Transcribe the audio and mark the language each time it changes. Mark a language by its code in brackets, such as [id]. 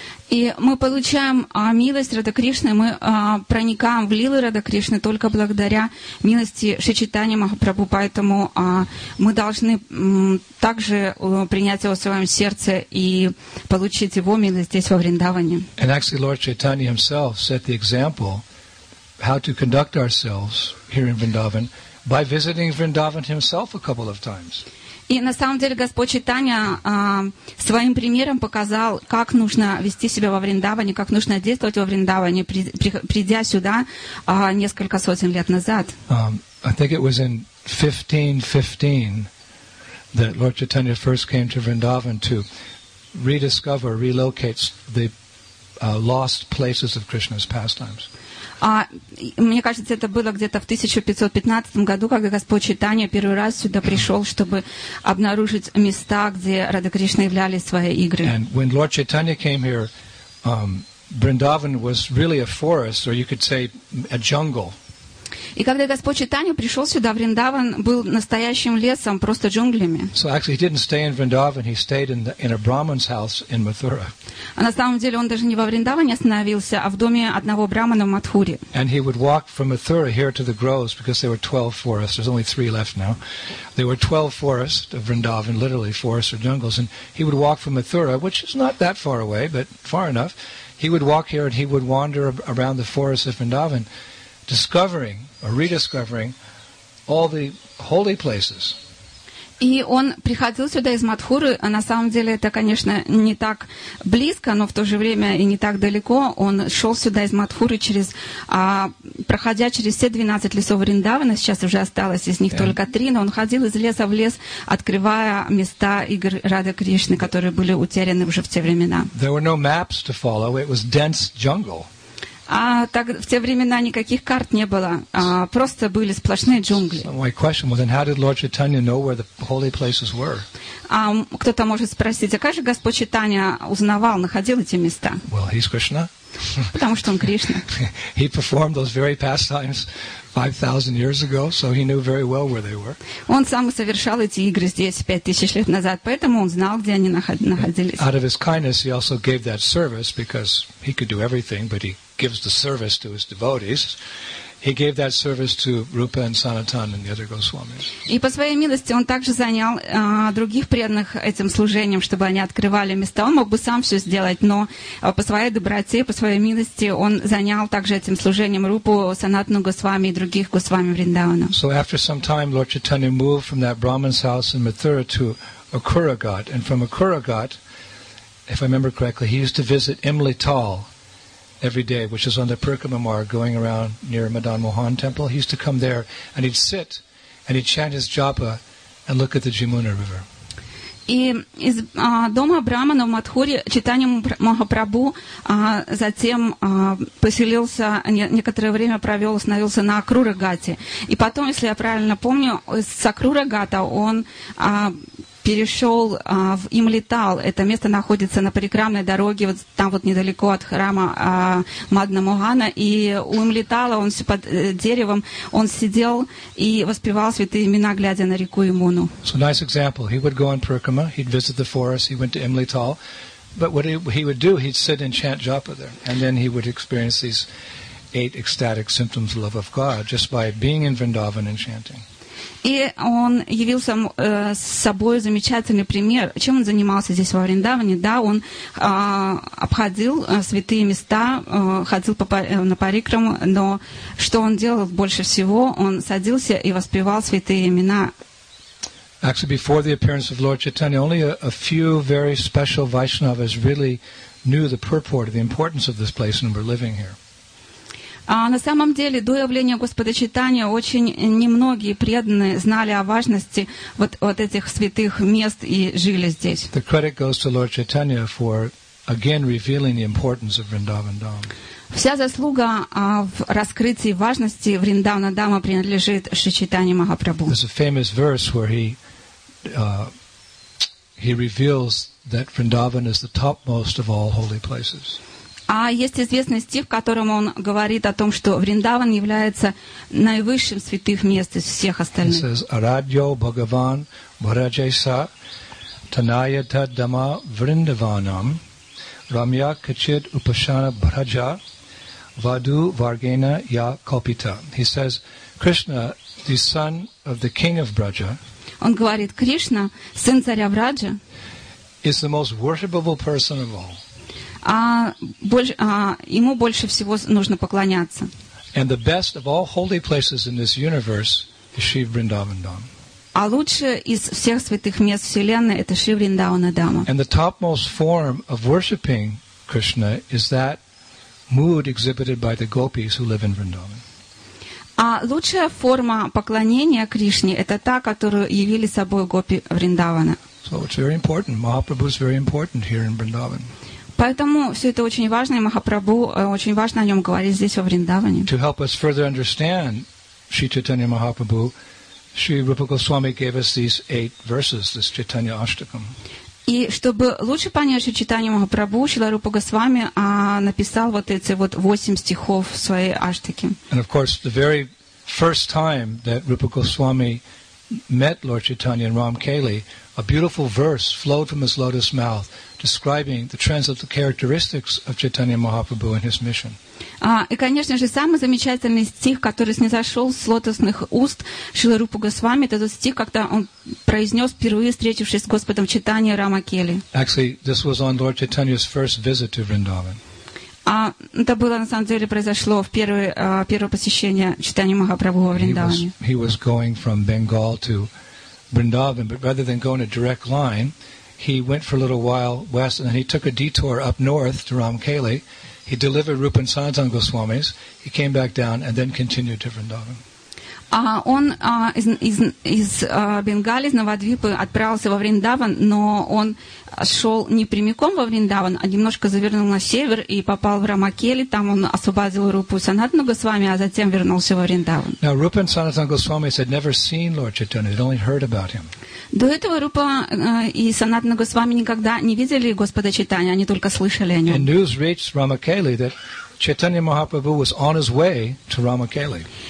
[ru] И мы получаем милость Радха Кришны, мы проникаем в лилы Радха Кришны только благодаря милости Шри Чайтаньи Махапрабху, поэтому мы должны также принять его в своем сердце и получить его милость здесь во Вриндаване. [en] And actually Lord Chaitanya himself set the example how to conduct ourselves here in Vrindavan by visiting Vrindavan himself a couple of times. [ru] И на самом деле Господь Чайтанья своим примером показал, как нужно вести себя во Вриндаване, как нужно действовать во Вриндаване, придя сюда несколько сотен лет назад. [en] I think it was in 1515 that Lord Chaitanya first came to Vrindavan to rediscover, relocate the lost places of Krishna's pastimes. [ru] Мне кажется, это было где-то в 1515 году, когда Господь Чайтанья первый раз сюда пришел, чтобы обнаружить места, где Рада Кришна являли свои игры. [en] And when Lord Chaitanya came here, Vrindavan was really a forest, or you could say a jungle. [ru] И когда Господь Чайтанья пришел сюда, Вриндаван был настоящим лесом, просто джунглями. [en] So actually, he didn't stay in Vrindavan, he stayed in a Brahmin's house in Mathura. [ru] А на самом деле он даже не во Вриндаване остановился, а в доме одного брахмана в Матхуре. [en] And he would walk from Mathura here to the groves, because there were 12 forests. There's only 3 left now. There were 12 forests of Vrindavan, literally forests or jungles. And he would walk from Mathura, which is not that far away, but far enough. He would walk here and he would wander around the forests of Vrindavan, discovering or rediscovering all the holy places. [ru] И он приходил сюда из Матхуры, а на самом деле это, конечно, не так близко, но в то же время и не так далеко. Он шел сюда из Матхуры, через, проходя через все 12 лесов Вриндавана, сейчас уже осталось из них только 3, но он ходил из леса в лес, открывая места игр Рады Кришны, которые были утеряны уже в те времена. [en] There were no maps to follow. It was dense jungle. [ru] Так в те времена никаких карт не было, просто были сплошные джунгли. Кто-то может спросить, а как же Господь Чайтанья узнавал, находил эти места? [en] Well, he's Krishna. [ru] Потому что он Кришна. [en] He performed those very pastimes 5,000 years ago, so he knew very well where they were. [ru] Он сам совершал эти игры здесь 5,000 лет назад, поэтому он знал, где они находились. [en] Out of his kindness, he also gave that service because he could do everything, but he gives the service to his devotees. He gave that service to Rupa and Sanatan and the other Goswamis. [ru] И по своей милости он также занял других преданных этим служением, чтобы они открывали места. Он мог бы сам все сделать, но по своей доброте, по своей милости, он занял также этим служением Рупу, Санатану Госвами и других Госвами Вриндавана. [en] So after some time, Lord Chaitanya moved from that Brahmin's house in Mathura to Akuragat, and from Akuragat, if I remember correctly, he used to visit Imlital every day, which is on the Purkama Marg, going around near Madan Mohan Temple. He used to come there, and he'd sit, and he'd chant his japa, and look at the Jamuna River. [ru] И из дома брахмана в Матхуре Чайтанья Махапрабху затем поселился, некоторое время провел, остановился на Акрурагате. И потом, если я правильно помню, с Акрурагата он перешел в Имлитал. Это место находится на парикрамной дороге, вот там вот недалеко от храма Мадна-Могана. И у Имлитала он все под деревом, он сидел и воспевал святые имена, глядя на реку Имуну. [en] So nice example. He would go on Purkama, he'd visit the forest, he went to Imlital. But what he would do, he'd sit and chant japa there. And then he would experience these 8 ecstatic symptoms of love of God just by being in Vrindavan and chanting. [ru] И он явил сам с собой замечательный пример, чем он занимался здесь во Вриндаване. Да, он обходил святые места, ходил на парикраму, но что он делал больше всего? Он садился и воспевал святые имена. [en] Actually, before the appearance of Lord Chaitanya, only a few very special Vaishnavas really knew the purport, the importance of this place, and were living here. [ru] На самом деле, до явления Господа Чайтанья очень немногие преданные знали о важности вот этих святых мест и жили здесь. [en] The credit goes to Lord Chaitanya for again revealing the importance of Vrindavan Dham. [ru] Вся заслуга в раскрытии важности Вриндавана Дама принадлежит Шри Чайтанья Махапрабху. [en] There's a famous verse where he reveals that Vrindavan is the topmost of all holy places. [ru] А есть известный стих, в котором он говорит о том, что Вриндаван является наивысшим святых мест из всех остальных. [en] He says, [sa] Арадьо Бхагаван Бхараджайса Танайата Дама Вриндаванам Рамья Качид Упашана Бхараджа Ваду Варгена Я Калпита. [en] He says, Krishna, the son of the king of Braja, [ru] он говорит, Кришна, сын царя Враджа, [en] is the most worshipable person of all. [ru] Ему больше всего нужно поклоняться. [en] And the best of all holy places in this universe is Shiv Vrindavan Dham. [ru] А лучше из всех святых мест Вселенной это Шри Вриндавана Дама. [en] And the topmost form of worshiping Krishna is that mood exhibited by the gopis who live in Vrindavan. [ru] А лучшая форма поклонения Кришне это та, которую явили собой гопи Вриндавана. [en] So it's very important. Mahaprabhu is very important here in Vrindavan. [ru] Поэтому все это очень важно, и Махапрабху очень важно о нем говорить здесь во Вриндаване. [en] To help us further understand Sri Chaitanya Mahaprabhu, Sri Rupa Goswami gave us these eight verses, this Chaitanya Ashtakam. [ru] И чтобы лучше понять Шри Чайтанья Махапрабху, Шрила Рупа Госвами написал вот эти вот восемь стихов своей Аштаки. [en] And of course, the very first time that Rupa Goswami met Lord Chaitanya in Ramkeli, a beautiful verse flowed from his lotus mouth describing the transcendental characteristics of Chaitanya Mahaprabhu and his mission. [ru] И, конечно же, самый замечательный стих, который снизошел с лотосных уст Шрила Рупа Госвами, это тот стих, когда он произнес, впервые встретившись с Господом Чайтанья Рамакели. [en] Actually, this was on Lord Chaitanya's first visit to Vrindavan. [ru] Это было, на самом деле, произошло в первое посещение Чайтанья Махапрабху во Вриндаване. [en] He was going from Bengal to Vrindavan, but rather than going a direct line, he went for a little while west, and then he took a detour up north to Ramkeli. He delivered Rupa and Sanatan Goswamis. He came back down and then continued to Vrindavan. [ru] Он из Бенгали, из Навадвипы, отправился во Вриндаван, но он шел не прямиком во Вриндаван, а немножко завернул на север и попал в Рамакели. Там он освободил Рупу Санатану Госвами, а затем вернулся во Вриндаван. [en] Now, Rupa and Sanatan Goswamis had never seen Lord Chaitanya. They'd only heard about him. [ru] До этого Рупа и Санатана Госвами никогда не видели Господа Чайтанья, они только слышали о нем. [en] And news reached Ramakeli that Chaitanya Mahaprabhu was on his way to Ramakeli.